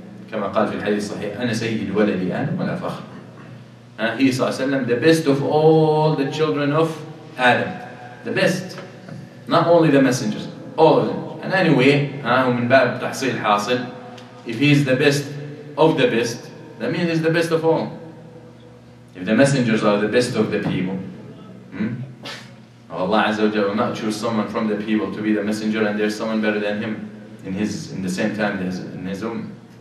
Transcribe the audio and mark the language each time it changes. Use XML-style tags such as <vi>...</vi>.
<ar>كما قال في الحديث الصحيح أنا سيد ولدي آدم ولا فخر.</ar> <en>He صلى الله عليه وسلم the best of all the children of Adam. The best. Not only the messengers. All of them. And anyway,</en> <ar>ومن باب تحصيل حاصل.</ar> <en>If he is the best of the best, that means he's the best of all. If the messengers are the best of the people. Allah Azza wa Jalla will not choose someone from the people to be the messenger and there's someone better than him in the same time in his own.</en>